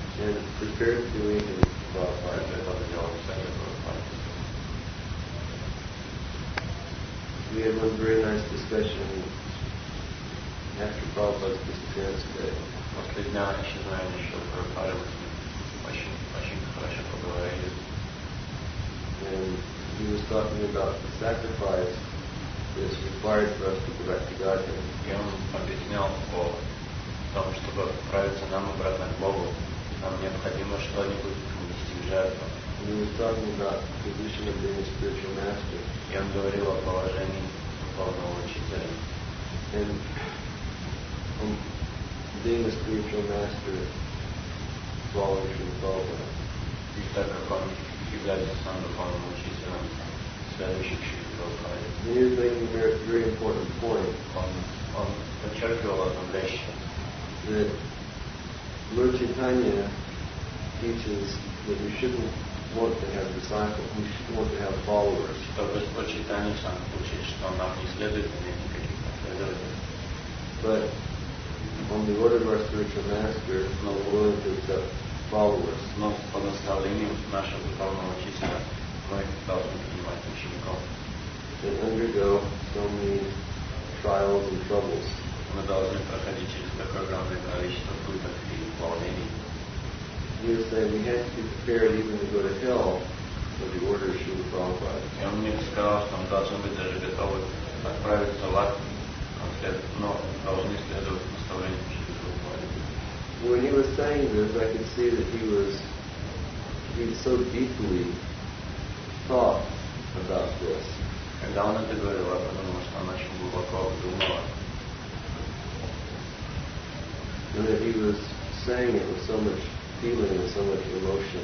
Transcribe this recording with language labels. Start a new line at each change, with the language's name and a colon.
English: And prepared to do anything with Prabhupada. I love the job of Sri Prabhupada. We had one very nice discussion after Prabhupada's disappearance today.
Russian: После дня исчезновения Шри Прабхупады мы очень хорошо поговорили.
English: And he was talking about the sacrifice that is required for us to go back to Godhead.
Russian: И он объяснял о том, чтобы отправиться нам обратно к Богу, нам необходимо что-нибудь принести в жертву.
English: He was talking about the position of being a spiritual master.
Russian: И он говорил о положении духовного учителя.
English: And being a spiritual master, following Sri Prabhupada.
Russian: И так как он является сам духовным учителем, следующий к Шри Прабхупаде.
English: He is making a very, very important point.
Russian: Он подчеркивал одну вещь.
English: That Lord Chaitanya teaches that we shouldn't want to have disciples, we should want to have followers.
Russian: То есть Lord Chaitanya сам учит, что нам не следует иметь каких-то следователей.
English: But on the order of our spiritual master, no one to accept followers.
Russian: Но по наставлению нашего духовного учителя мы должны принимать учеников.
English: To undergo so many trials and troubles.
Russian: Мы должны проходить через такое огромное количество пыток и волнений.
English: He said we had to be prepared even to go to hell for the order of Srila Prabhupada.
Russian: И он мне сказал, что мы должны быть даже готовы отправиться в ад, но должны следовать наставлениям Шри Прабхупады.
English: When he was saying this, I could see that he so deeply thought about this.
Russian: Когда он это говорил, я подумал, что он очень глубоко думал.
English: And that he was saying it with so much feeling and so much emotion.